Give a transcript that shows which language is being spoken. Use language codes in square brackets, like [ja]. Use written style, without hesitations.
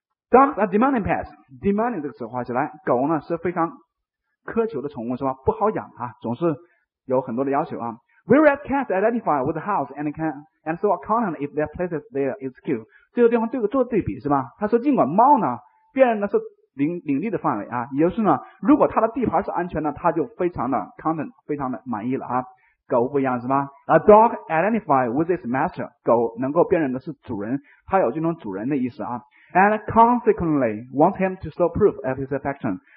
[en] Dogs are demanding pets. [zh] Demanding 这个词画起来，狗呢是非常苛求的宠物，是吧？不好养啊，总是有很多的要求啊。 [en] Whereas cats identify with the house and so are content if their place is there is cute. [zh] 这个地方对个做对比是吧？他说，尽管猫呢，辨认的是领地的范围啊，也就是呢，如果它的地盘是安全的，它就非常的 content， 非常的满意了啊。狗不一样是吧 ？ [en] A dog identify with its master. [zh] 狗能够辨认的是主人，它有这种主人的意思啊。 [en] And consequently wants him to show proof of his affection.